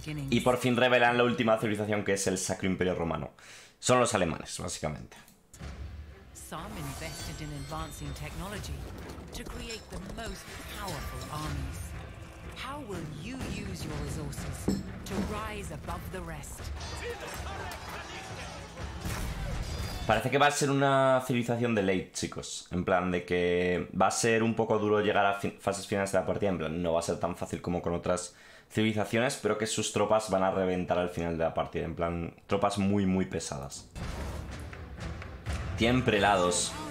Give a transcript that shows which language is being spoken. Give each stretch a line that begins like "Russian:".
Spanish: Y por fin revelan la última civilización, que es el Sacro Imperio Romano. Son los alemanes, básicamente.
English: Some invested in advancing technology to create the most powerful armies. How will you use your resources to rise above the rest?
Spanish: Parece que va a ser una civilización de late, chicos. En plan, de que va a ser un poco duro llegar a fases finales de la partida. En plan, no va a ser tan fácil como con otras civilizaciones, pero que sus tropas van a reventar al final de la partida. En plan, tropas muy, muy pesadas. Tienen prelados.